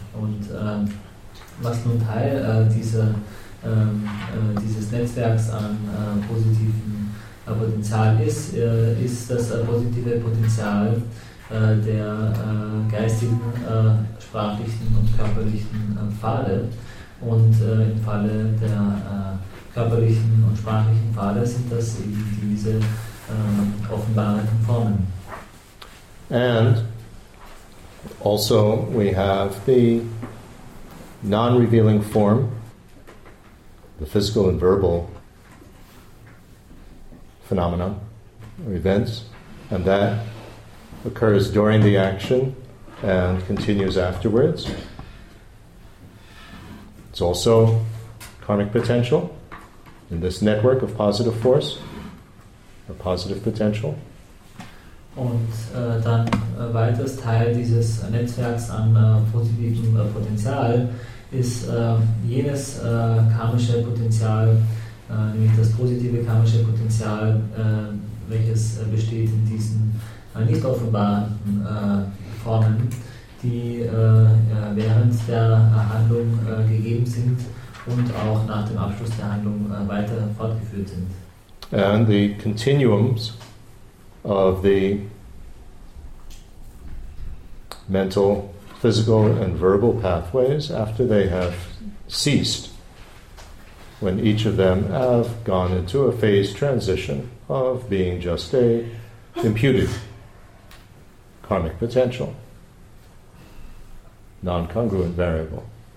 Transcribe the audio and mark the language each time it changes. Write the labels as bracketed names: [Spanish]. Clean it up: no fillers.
[German] Und was nun Teil dieses Netzwerks an positivem Potenzial ist, ist das positive Potenzial der geistigen, sprachlichen und körperlichen Pfade. Und im Falle der körperlichen und sprachlichen Pfade sind das eben diese offenbaren Formen. [English] And also we have the non-revealing form, the physical and verbal phenomena or events, and that occurs during the action and continues afterwards. It's also karmic potential in this network of positive force, a positive potential. [German] Und dann weiteres Teil dieses Netzwerks an positivem Potenzial ist jenes karmische Potenzial, nämlich das positive karmische Potenzial, welches besteht in diesen nicht offenbaren Formen, die während der Handlung gegeben sind und auch nach dem Abschluss der Handlung weiter fortgeführt sind. [English] And the continuums of the mental, physical, and verbal pathways after they have ceased, when each of them have gone into a phase transition of being just a imputed karmic potential, non-congruent variable.